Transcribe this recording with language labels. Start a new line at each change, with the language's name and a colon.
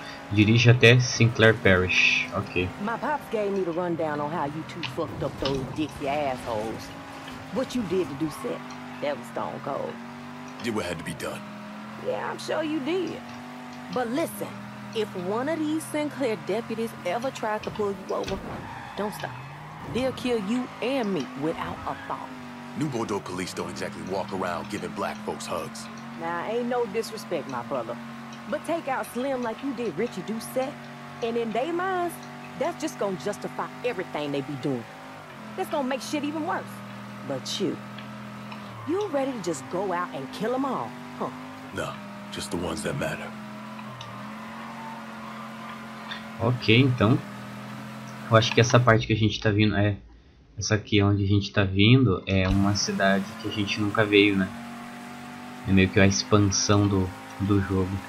Portuguese: Dirige até Sinclair Parrish.
English: Ok. My pops gave me the rundown on how you two fucked up those dicky assholes. What you did to Doucette, that was stone cold. Did what had to be done. Yeah, I'm sure you did. But listen, if one of these Sinclair deputies ever tries to pull you over, don't stop. They'll kill you and me without a thought. New Bordeaux police don't exactly walk around giving black folks hugs. Now, ain't no disrespect, my brother. But take out Slim like you did Richie Doucette, and in their minds, that's just gonna justify everything they be doing. That's gonna make shit even worse. But you ready to just go out and kill them all, huh? No, just the ones that matter.
Portuguese: Ok, então. Eu acho que essa parte que a gente tá vindo é... Essa aqui onde a gente tá vindo é uma cidade que a gente nunca veio, né? É meio que a expansão do jogo.